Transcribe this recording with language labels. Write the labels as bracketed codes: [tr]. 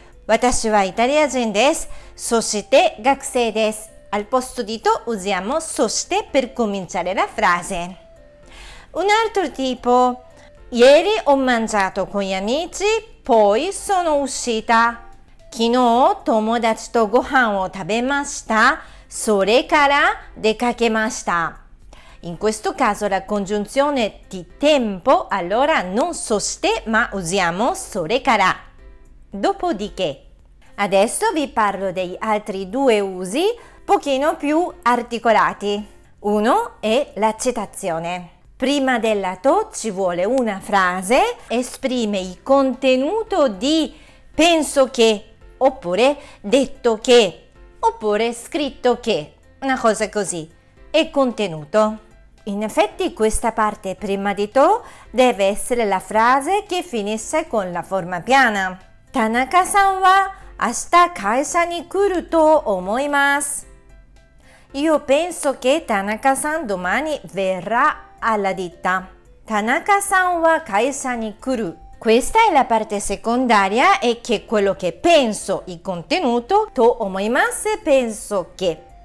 [ja] 私はイタリア人です。そして学生です。 [it] Al posto di to usiamo そして per cominciare la frase. Un altro tipo. Ieri ho mangiato con gli amici, poi sono uscita. [ja] 昨日友達とご飯を食べました。それから出かけました。 [it] In questo caso la congiunzione di tempo, allora non そして ma usiamo それから。 Dopodiché. Adesso vi parlo degli altri due usi, pochino più articolati. Uno è la citazione. Prima della to ci vuole una frase, esprime il contenuto di penso che, oppure detto che, oppure scritto che, una cosa così. E contenuto. In effetti questa parte prima di to deve essere la frase che finisce con la forma piana. [ja] Tanaka-san wa... 明日会社に来ると思います。 [it] Io penso che Tanaka-san domani verrà alla ditta. [ja] Tanaka-san wa kaisha ni kuru. [it] Questa è la parte secondaria e che quello che penso, il contenuto, [ja] to omoimasu, [it] penso che.